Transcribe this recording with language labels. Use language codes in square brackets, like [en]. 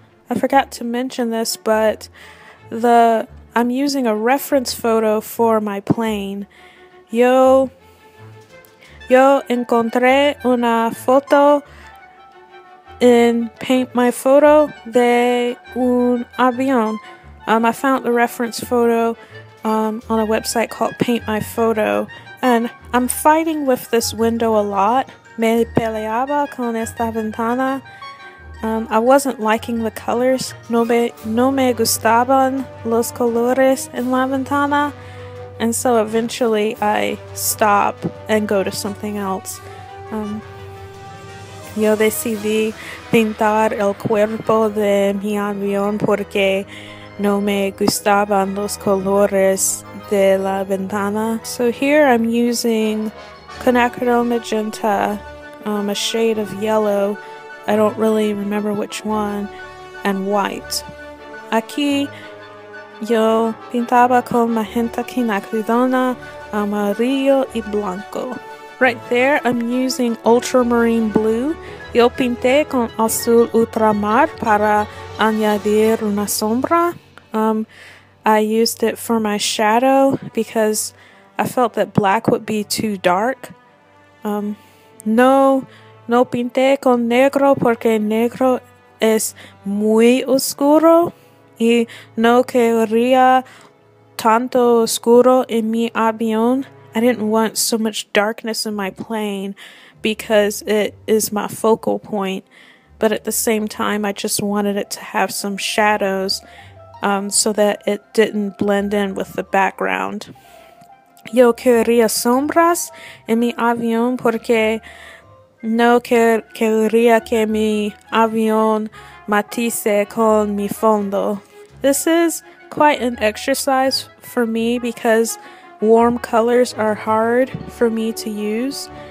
[en] I forgot to mention this, but I'm using a reference photo for my plane. [es] Yo encontré una foto in Paint My Photo de un avión. [en] I found the reference photo on a website called Paint My Photo, and I'm fighting with this window a lot. [es] Me peleaba con esta ventana. [en] I wasn't liking the colors. [es] No me gustaban los colores en la ventana. [en] And so eventually I stop and go to something else. [es] Yo decidí pintar el cuerpo de mi avión porque no me gustaban los colores de la ventana. [en] So here I'm using Quinacridone magenta, a shade of yellow. I don't really remember which one, and white. [es] Aquí yo pintaba con magenta Quinacridona, amarillo y blanco. [en] Right there, I'm using ultramarine blue. [es] Yo pinté con azul ultramar para añadir una sombra. [en] I used it for my shadow because I felt that black would be too dark. [es] No pinté con negro porque negro es muy oscuro y no quería tanto oscuro en mi avión. [en] I didn't want so much darkness in my plane because it is my focal point. But at the same time, I just wanted it to have some shadows so that it didn't blend in with the background. [es] Yo quería sombras en mi avión porque no quería que mi avión matice con mi fondo. [en] This is quite an exercise for me because warm colors are hard for me to use.